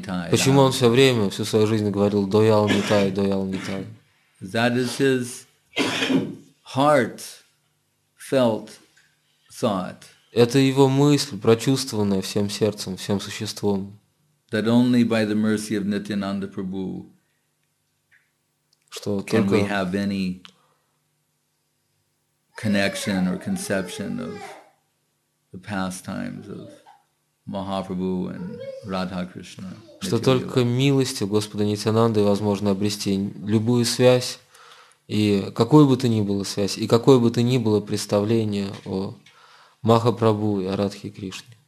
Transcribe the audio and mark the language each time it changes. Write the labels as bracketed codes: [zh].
[ru] Почему он все время, всю свою жизнь говорил «Доял Нитай, Доял Нитай»? [en] That is his heart felt thought. [ru] Это его мысль, прочувствованная всем сердцем, всем существом. [en] That only by the mercy of Nityananda Prabhu can we have any connection or conception of the pastimes of Mahaprabhu and Radha Krishna. [ru] Что только милостью Господа Нитянанды возможно обрести любую связь, и какой бы то ни было связь, и какое бы то ни было представление о Махапрабху и о Радхе Кришне.